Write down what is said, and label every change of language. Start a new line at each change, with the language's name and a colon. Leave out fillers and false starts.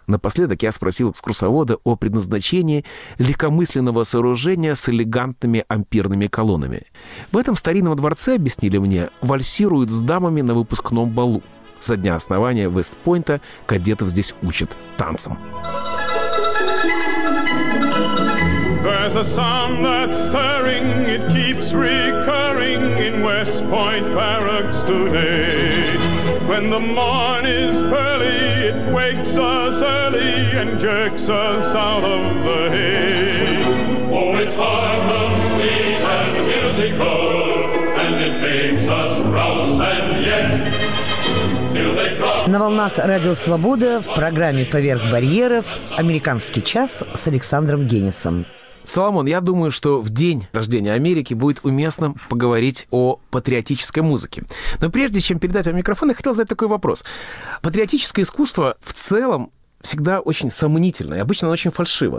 Russian: Напоследок я спросил экскурсовода о предназначении легкомысленного сооружения с элегантными ампирными колоннами. В этом старинном дворце, объяснили мне, вальсируют с дамами на выпускном балу. Со дня основания Вест-Пойнта кадетов здесь учат танцам.
English: There's a sound that's stirring, it keeps recurring in West Point barracks today. When the morn is pearly, it wakes us early and jerks us out of the hay. Oh, it's hard and sweet and musical, and it makes us rouse and yet till they come.
Russian: волнах Радио Свобода в программе «Поверх барьеров» «Американский час» с Александром Генисом. Соломон, я думаю, что в день рождения Америки будет уместно поговорить о патриотической музыке. Но прежде чем передать вам микрофон, я хотел задать такой вопрос. Патриотическое искусство в целом всегда очень сомнительно, и обычно оно очень фальшиво.